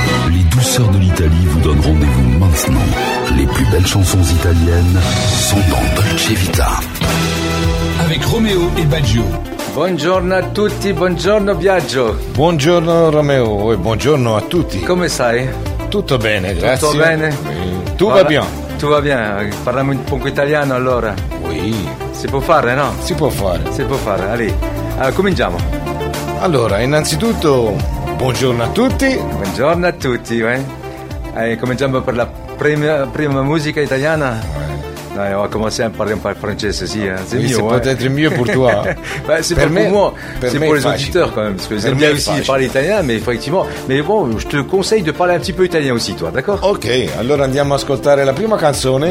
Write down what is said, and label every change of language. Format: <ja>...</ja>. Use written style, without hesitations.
<fr>Les douceurs de l'Italie vous donnent rendez-vous maintenant. Les plus belles chansons italiennes sont dans Dolce Vita. Avec Romeo et Baggio.</fr> <it>Buongiorno a tutti, buongiorno Biagio. Buongiorno Romeo e buongiorno a tutti. Come stai? Tutto bene, grazie. Tutto bene?</it> <fr>Tu va bien. Tu va bien,</fr> <it>parliamo un po' italiano allora.</it> <fr>Oui.</fr> <it>Si può fare, no? Si può fare. Si può fare, allora, cominciamo. Allora, innanzitutto, buongiorno a tutti. Buongiorno a tutti, eh. Cominciamo per la prima musica italiana. No, come sempre parliamo un po' il francese, sì, c'è mio, se potete essere mio pour toi. Beh, c'è per me, per</it> <fr>les auditeurs quand même, parce que j'aime bien aussi parler italien, mais effectivement, mais bon, je te conseille de parler un petit peu italien aussi toi, d'accord?</fr> <it>Ok, allora andiamo a ascoltare la prima canzone.</it>